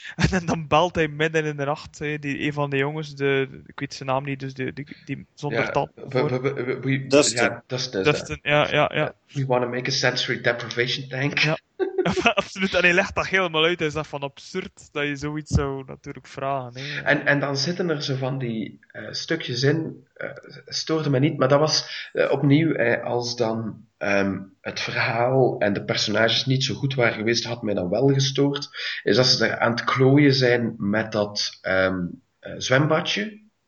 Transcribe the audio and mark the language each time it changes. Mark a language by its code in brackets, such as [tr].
[nl] En dan belt hij midden in de nacht, een van de jongens, ik weet zijn naam niet, dus die zonder tand. Dustin. Dustin, ja. [en] We want to make a sensory deprivation tank. [nl] Ja, Absoluut, en hij legt dat helemaal uit. Hij is dat van absurd dat je zoiets zou natuurlijk vragen. Hè? En dan zitten er zo van die stukjes in, stoorde me niet, maar dat was opnieuw, als dan het verhaal en de personages niet zo goed waren geweest, had mij dan wel gestoord, is dat ze er aan het klooien zijn met dat zwembadje.